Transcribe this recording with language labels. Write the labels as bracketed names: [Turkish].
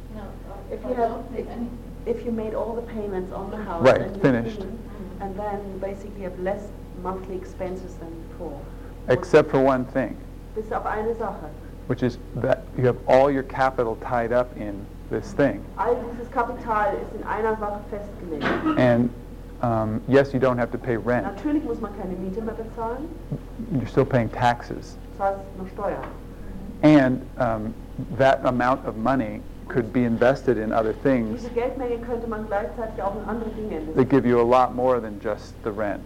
[English] No. If you made all the payments on the house. Right, and finished. Clean, and then basically have less monthly expenses than before. Except for one thing. [German] Bis auf eine Sache. [English] Which is that you have all your capital tied up in this thing. [German] All dieses Kapital ist in einer Sache festgelegt. [English] And yes, you don't have to pay rent. [German] Natürlich muss man keine Miete mehr bezahlen. [English] You're still paying taxes. [German] Steuer. [English] And that amount of money could be invested in other things. [German] Diese Geldmenge könnte man gleichzeitig auch in andere Dinge investieren. [English] They give you a lot more than just the rent.